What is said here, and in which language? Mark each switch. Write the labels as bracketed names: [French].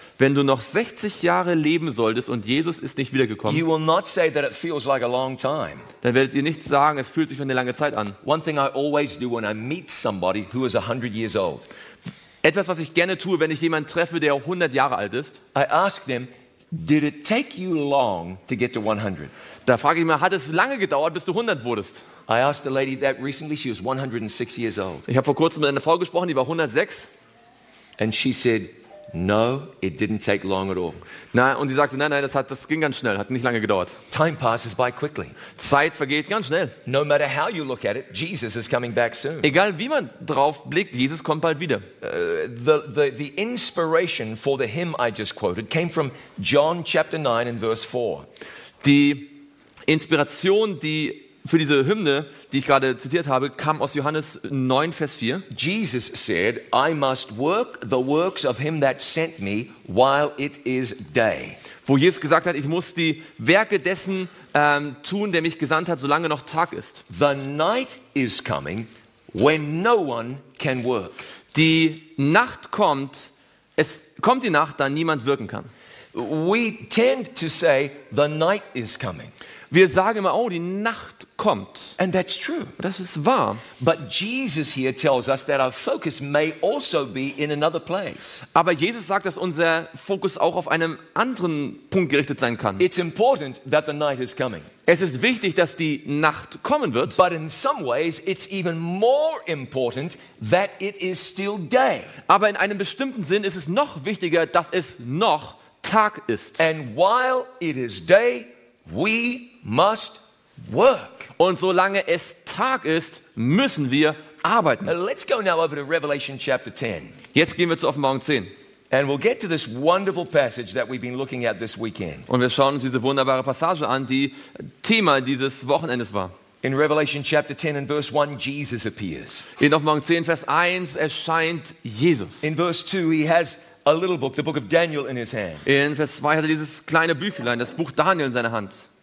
[German] wenn du noch 60 Jahre leben solltest und Jesus ist nicht wiedergekommen, [English] you will not say that it feels like a long time. [German] Dann werdet ihr nicht sagen, es fühlt sich wie eine lange Zeit an. [English] One thing I always do when I meet somebody who is 100 years old. [German] Etwas, was ich gerne tue, wenn ich jemanden treffe, der 100 Jahre alt ist. [English] I ask them, did it take you long to get to 100? [German] Da frage ich mal, hat es lange gedauert, bis du 100 wurdest? [English] I asked a lady that recently, she was 106 years old. [German] Ich habe vor kurzem mit einer Frau gesprochen, die war 106. [English] And she said, no, it didn't take long at all. [German] Nein, und sie sagte, nein, das ging ganz schnell, hat nicht lange gedauert. [English] Time passes by quickly. [German] Zeit vergeht ganz schnell. [English] No matter how you look at it, Jesus is coming back soon. [German] Egal wie man drauf blickt, Jesus kommt bald wieder. [English] The inspiration for the hymn I just quoted came from John chapter 9 and verse 4. [German] Die Inspiration, die für diese Hymne, die ich gerade zitiert habe, kam aus Johannes 9, Vers 4. [English] Jesus said, I must work the works of him that sent me while it is day. [German] Wo Jesus gesagt hat, ich muss die Werke dessen tun, der mich gesandt hat, solange noch Tag ist. [English] The night is coming when no one can work. [German] Die Nacht kommt, es kommt die Nacht, da niemand wirken kann. [English] We tend to say, the night is coming. [German] Wir sagen immer, oh, die Nacht kommt. [English] And that's true. [German] Das ist wahr. [English] But Jesus here tells us that our focus may also be in another place. [German] Aber Jesus sagt, dass unser Fokus auch auf einem anderen Punkt gerichtet sein kann. [English] It's important that the night is coming. [German] Es ist wichtig, dass die Nacht kommen wird. [English] But in some ways it's even more important that it is still day. [German] Aber in einem bestimmten Sinn ist es noch wichtiger, dass es noch Tag ist. [English] And while it is day, we must work. [German] Und solange es Tag ist, müssen wir arbeiten. [English] Let's go now over to Revelation chapter 10. [German] Jetzt gehen wir zu Offenbarung 10. [English] And we'll get to this wonderful passage that we've been looking at this weekend. [German] Und wir schauen uns diese wunderbare Passage an, die Thema dieses Wochenendes war. [English] In Revelation chapter 10 and verse 1, Jesus appears. [German] In Offenbarung 10 Vers 1 erscheint Jesus. [English] In verse 2 he has a little book, the book of Daniel in his hand. [German] In Vers 2 hat er dieses kleine Büchlein, das Buch Daniel in seiner Hand.